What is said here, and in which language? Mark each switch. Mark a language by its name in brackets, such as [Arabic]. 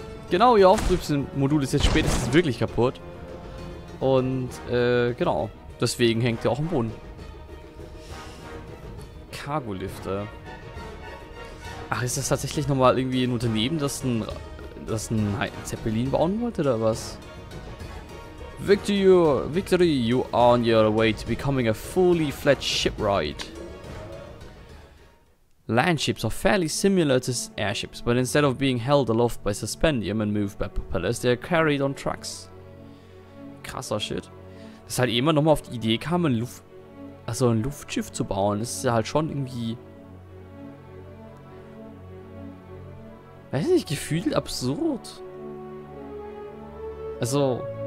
[German] Genau, ihr Auftriebsmodul ist jetzt spätestens wirklich kaputt. Und, genau. Deswegen hängt ihr auch im Boden. Cargolifter. Ach, ist das tatsächlich nochmal irgendwie ein Unternehmen, das ein Zeppelin bauen wollte, oder was? [English] Victory, you are on your way to becoming a fully fledged shipwright. Landships are fairly similar to airships, but instead of being held aloft by suspendium and moved by propellers, they are carried on trucks. [German] Krasser Shit. Dass halt jemand nochmal auf die Idee kam, ein Luftschiff zu bauen, ist ja halt schon irgendwie... Weiß nicht, gefühlt absurd. Also...